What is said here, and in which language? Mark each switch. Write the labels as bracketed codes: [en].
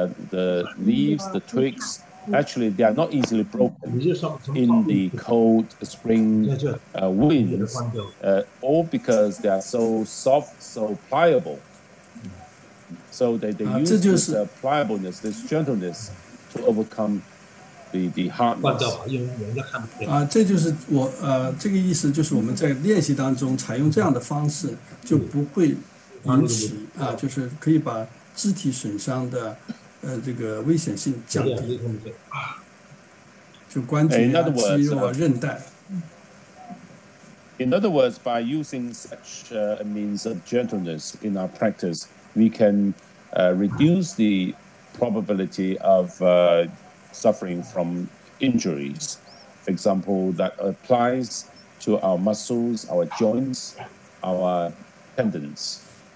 [en] The leaves, the twigs, actually, they are not easily broken in the cold spring winds, all because they are so soft, so pliable. So they use this pliableness, this gentleness to overcome the hardness. [zh] 这就是我这个意思，就是我们在练习当中采用这样的方式，就不会引起就是可以把肢体损伤的这个危险性降低，就关节肌肉韧带。 [en] In other words, by using such a means of gentleness in our practice, we can reduce the probability of suffering from injuries. For example, that applies to our muscles, our joints, our tendons.